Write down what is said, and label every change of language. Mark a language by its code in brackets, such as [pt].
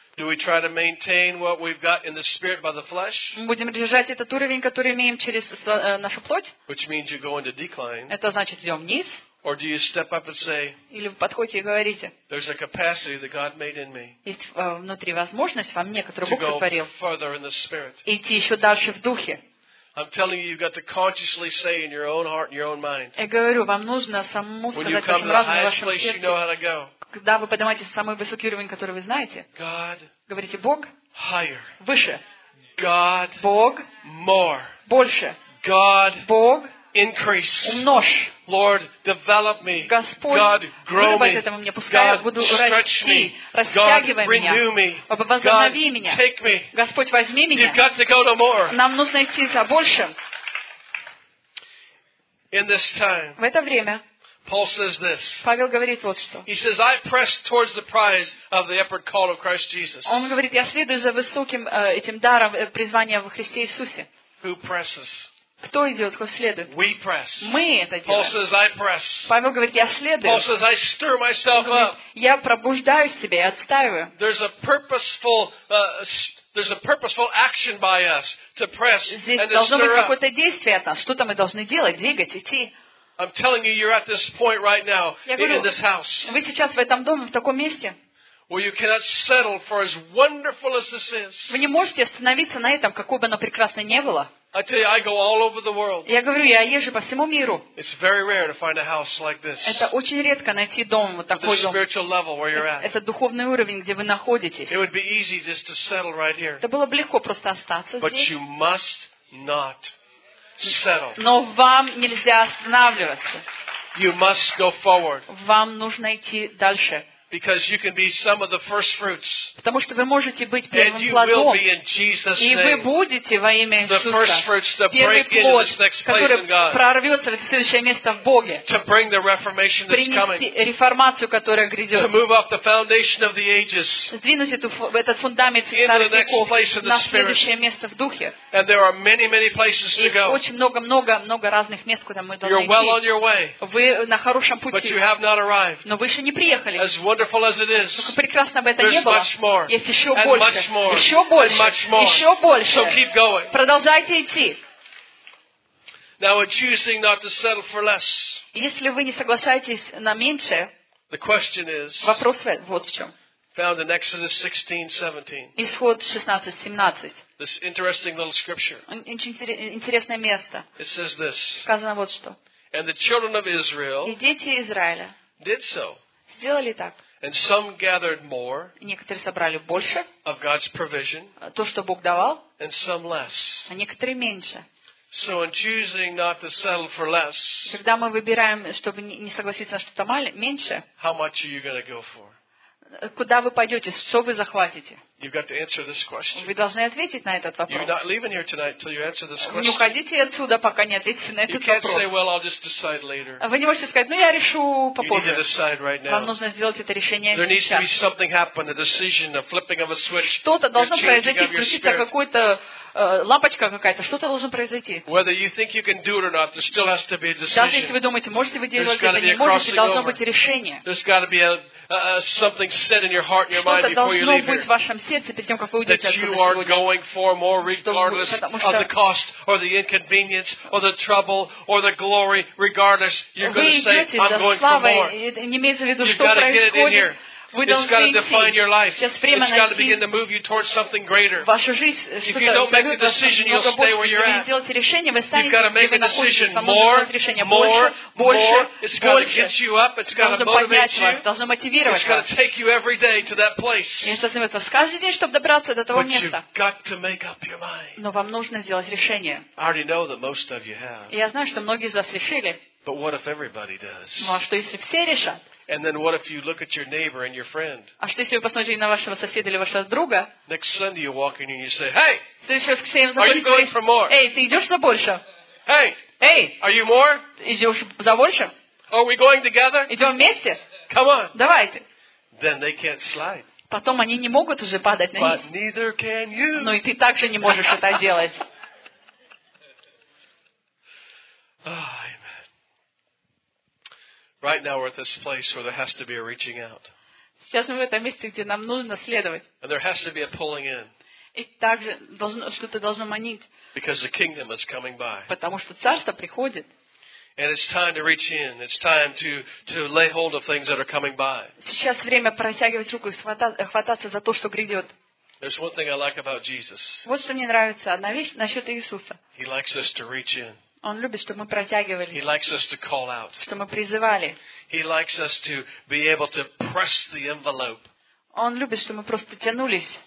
[en] Do we try to maintain what we've got in the spirit by the flesh? [ru] Мы будем держать этот уровень, который имеем через нашу плоть? [en] Which means you go into decline. [ru] Это значит, идем вниз. [en] Or do you step up and say? [ru] Или вы подходите и говорите? [en] There's a capacity that God made in me. [ru] Есть внутри возможность во мне, которую Бог сотворил. [en] To go further in the spirit. [ru] Идти еще дальше в духе. [en] I'm telling you, you've got to consciously say in your own heart, in your own mind. [ru] Я говорю, вам нужно самому сказать вашим разумом, вашим сердцем. [en] When you come to the highest place, you know how to go. [ru] Когда вы поднимаетесь на самый высокий уровень, который вы знаете, [en] God, [ru] говорите, Бог [en] higher, [ru] выше, [en] God, [ru] Бог [en] more, [ru] больше, [en] God, [ru] Бог [en] increase, [ru] умножь, [en] Lord, develop me, [ru] Господь, [en] God, grow me, [ru] вырывайте это во мне, пускай я буду расти, растягивай меня, [en] God, renew me, [ru] возобнови меня, [en] take me. [ru] Господь, возьми меня. [en] You've got to go to more. [ru] Нам нужно идти за большим. [en] In this time, [ru] в это время [en] Paul says this. [ru] Павел говорит вот что. [en] He says, "I press towards the prize of the upward call of Christ Jesus." [ru] Он говорит, я следую за высоким этим даром призвания во Христе Иисусе. [en] Who presses? [ru] Кто идет, кто следует? [en] We press. [ru] Мы это делаем. [en] Paul says, "I press." [ru] Павел говорит, я следую. [en] Paul says, "I stir myself up." [ru] Я пробуждаю себя, я отстаиваю. [en] There's a purposeful There's a purposeful action by us to press and to stir up. [ru] Здесь должно быть какое-то действие от нас. Что-то мы должны делать, двигать, идти. [en] I'm telling you, you're at this point right now, [ru] говорю, [en] in this house. [ru] Вы сейчас в этом доме, в таком месте. [en] Where you cannot settle for as wonderful as this is. [ru] Вы не можете остановиться на этом, какое бы оно прекрасное ни было. [en] I tell you, I go all over the world. [ru] Я говорю, я езжу по всему миру. [en] It's very rare to find a house like this. [ru] Это очень редко найти дом вот такой. [en] The spiritual level where you're at. [ru] Это духовный уровень, где вы находитесь. [en] It would be easy just to settle right here. [ru] Это было бы легко просто остаться [en] But [ru] здесь. [en] You must not. Settle. [ru] Но вам нельзя останавливаться. [en] You must go forward. [ru] Вам нужно идти дальше. [en] Because you can be some of the first fruits. [ru] Потому что вы можете быть первым плодом. И вы будете во имя Иисуса. [en] The first fruits to break into this next place in God. [ru] Прорвётся в следующее место в Боге. [en] To bring the reformation that's coming. [ru] Принести реформацию, которая грядёт. [en] To move off the foundation of the ages. [ru] Сдвинуть этот фундамент старых веков на следующее место в Духе. [en] And there are many, many places to go. [ru] Очень много разных мест, куда мы должны идти. [en] You're well on your way. [ru] Вы на хорошем пути. [en] But you have not arrived. [ru] Но вы ещё не приехали. [en] Wonderful as it is. [ru] Только прекрасно бы это не было. [en] Much more, [ru] есть еще больше. [en] Much more, [ru] еще больше. [en] Much more. [ru] Еще больше. [en] So keep going. [ru] Продолжайте идти. [en] Now, in choosing not to settle for less, [ru] если вы не соглашаетесь на меньшее, [en] the question is, [ru] вопрос вот в чем. [en] Found in Exodus 16:17. [ru] Исход 16:17. [en] This interesting little scripture. [ru] Интересное место. [en] It says this. [ru] Сказано вот что. [en] And the children of Israel. [ru] И дети Израиля. [en] Did so. [ru] Сделали так. [en] And some gathered more. [ru] Некоторые собрали больше. [en] Of God's provision. [ru] То, что Бог давал. [en] And some less. [ru] А некоторые меньше. [en] So in choosing not to settle for less. [ru] Когда мы выбираем, чтобы не согласиться на что-то меньше. [en] How much are you going to go for? [ru] Куда вы пойдете? Что вы захватите? [en] You've got to answer this question. [ru] Вы должны ответить на этот вопрос. [en] You're not leaving here tonight till you answer this question. [ru] Не уходите отсюда, пока не ответите на этот вопрос. [en] You can't say, "Well, I'll just decide later." [ru] Вы не можете сказать: "Ну, я решу попозже." [en] You need to decide right now. [ru] Вам нужно сделать это решение сейчас. [en] There needs to be something happen, a decision, a flipping of a switch. [ru] Что-то должно произойти, включится какой-то лампочка какая-то. Что-то должно произойти. [en] Whether you think you can do it or not, there still has to be a decision. [ru] Даже если вы думаете, можете вы делать это, не можете, должно быть решение. [en] There's got to be something said in your heart, in your mind before you leave. [ru] Что-то должно быть в вашем сердце перед тем, как вы уйдете отсюда. [en] That you are going for more, regardless of the cost or the inconvenience or the trouble or the glory, regardless, you're going to say, "I'm going for more." [ru] Не имеется в виду, что происходит. [en] It's got to define your life. It's got to begin to move you towards something greater. If you don't make a decision, you'll stay where you're at. You've got to make a decision more. It's got to get you up. It's got to motivate you. It's got to take you every day to that place. But you've got to make up your mind. I already know that most of you have. But what if everybody does? And then what if you look at your neighbor and your friend? [ru] А что если вы посмотрите на вашего соседа или вашего друга? [en] Next Sunday you walk in and you say, "Hey, are you going for more?" [ru] Эй, ты идёшь за больше? [en] Hey, [ru] эй, [en] are you more? [ru] Идёшь за больше? [en] Are we going together? [ru] Идём вместе? [en] Come on. [ru] Давайте. [en] Then they can't slide. [ru] Потом они не могут уже падать на них. [en] But neither can you. [ru] Но и ты также не можешь это делать. [en] Right now we're at this place where there has to be a reaching out. [ru] Сейчас мы в этом месте, где нам нужно следовать. [en] And there has to be a pulling in. [ru] И также должно что-то должно манить. [en] Because the kingdom is coming by. [ru] Потому что царство приходит. [en] And it's time to reach in. It's time to lay hold of things that are coming by. [ru] Сейчас время протягивать руку и хвататься за то, что грядет. [en] There's one thing I like about Jesus. [ru] Вот что мне нравится одна вещь насчет Иисуса. [en] He likes us to reach in. [ru] Он любит, чтобы мы протягивали. [en] He likes us to call out. [ru] Чтобы мы призывали. [en] He likes us to be able to press the envelope. [ru] Он любит, чтобы мы просто тянулись.